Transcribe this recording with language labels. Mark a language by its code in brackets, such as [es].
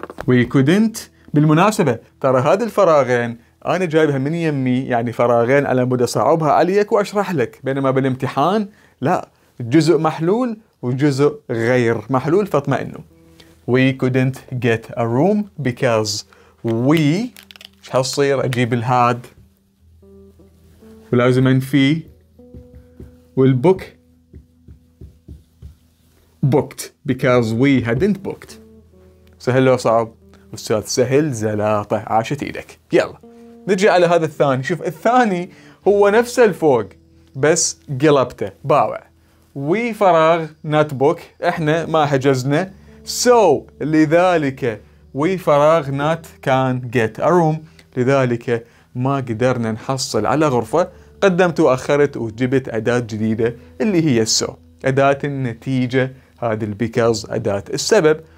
[en] we couldn't، [ar] بالمناسبة ترى هذه الفراغين أنا جايبها من يمي، يعني فراغين على مدى صعوبها عليك وأشرح لك، بينما بالامتحان لا، جزء محلول وجزء غير محلول، فاطمئنوا. [en] we couldn't get a room because we، [ar] شو هصير؟ أجيب الهاد ولازم أنفي، [en] والبوك booked because we hadn't booked. [ar] سهل لو صعب؟ أستاذ سهل زلاطة، عاشت إيدك. يلا نجي على هذا الثاني، شوف الثاني هو نفس الفوق بس قلبته باوع، we فراغ not book، إحنا ما حجزنا، so لذلك we فراغ [en] not can get a room، [ar] لذلك ما قدرنا نحصل على غرفة، قدمت وأخرت وجبت أداة جديدة اللي هي so، أداة النتيجة، هذه البيكاز أداة السبب.